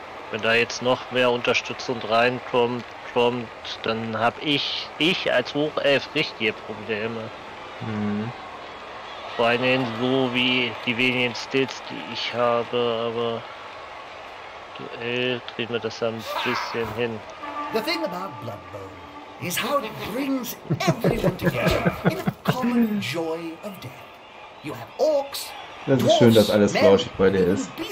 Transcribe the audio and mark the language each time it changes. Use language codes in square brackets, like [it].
[de] Wenn da jetzt noch mehr Unterstützung reinkommt, dann habe ich als Hochelf richtige Probleme. Mhm. Vor allem so wie die wenigen Stills, die ich habe, aber duell drehen wir das ein bisschen hin. [en] The thing about Blood Bowl is how it brings everyone together in the common joy of death. You have orcs. [de] Das ist schön, dass alles flauschig bei dir ist.